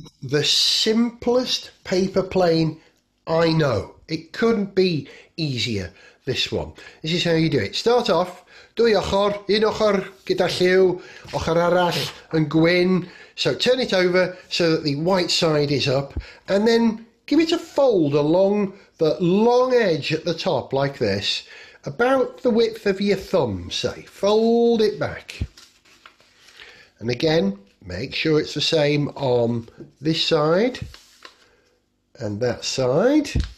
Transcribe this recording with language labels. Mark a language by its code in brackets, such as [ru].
[en] The simplest paper plane I know. It couldn't be easier, this one. This is how you do it. Start off, [cy] dwy ochr, un ochr gyda lliw, ochr arall yn gwyn. [en] So turn it over so that the white side is up. And then give it a fold along the long edge at the top like this. About the width of your thumb, say. Fold it back. And again, make sure it's the same on this side and that side.